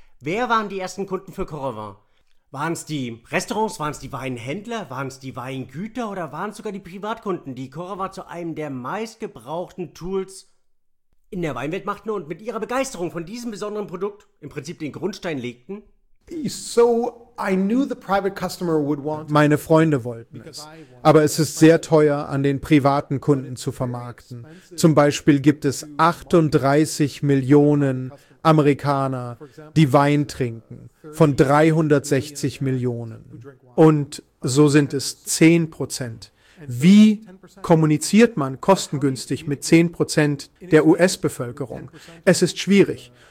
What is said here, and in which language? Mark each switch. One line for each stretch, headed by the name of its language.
German: Wer waren die ersten Kunden für Korrevin? Waren es die Restaurants, waren es die Weinhändler, waren es die Weingüter oder waren es sogar die Privatkunden, die Korrevin zu einem der meistgebrauchten Tools in der Weinwelt machten und mit ihrer Begeisterung von diesem besonderen Produkt im Prinzip den Grundstein legten?
English: So, I knew the private customer would want.
German: Meine Freunde wollten es. Aber es ist sehr teuer, an den privaten Kunden zu vermarkten. Zum Beispiel gibt es 38 Millionen Amerikaner, die Wein trinken, von 360 Millionen. Und so sind es 10%. Wie kommuniziert man kostengünstig mit 10% der US-Bevölkerung? Es ist schwierig.